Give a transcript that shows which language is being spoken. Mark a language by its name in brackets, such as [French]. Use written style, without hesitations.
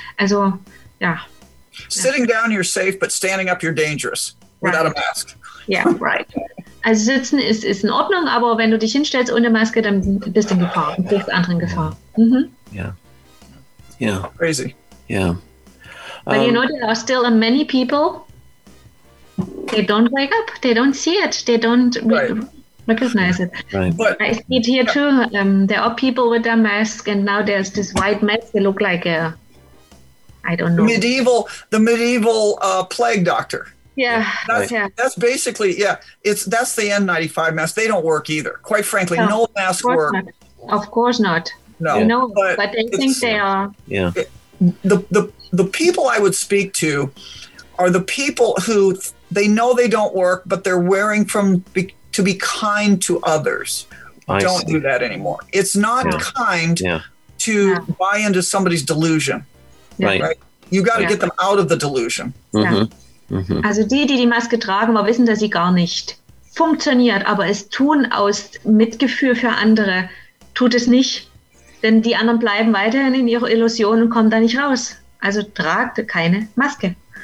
[German] Also, ja. [English] Sitting down, you're safe, but standing up, you're dangerous without a mask. Yeah, right. [German] Also sitzen ist in Ordnung, aber wenn du dich hinstellst ohne Maske, dann bist du in Gefahr, bist anderen in Gefahr. [English] Crazy. But you know, there are still many people, they don't wake up, they don't see it, they don't recognize it. Right. But, I see it here too, there are people with their masks and now there's this white mask, they look like a, I don't know. The medieval plague doctor. That's basically, that's the N95 mask. They don't work either. Quite frankly, no mask work. Of course not. No. No, but they think they are. The people I would speak to are the people who they know they don't work, but they're wearing to be kind to others. I don't see that anymore. It's not kind to buy into somebody's delusion. Right. You got to get them out of the delusion. Mm-hmm. Yeah. [German] Also die Maske tragen, aber wissen, dass sie gar nicht funktioniert, aber es tun aus Mitgefühl für andere, tut es nicht, denn die anderen bleiben weiterhin in ihrer Illusion und kommen da nicht raus. Also tragt keine Maske.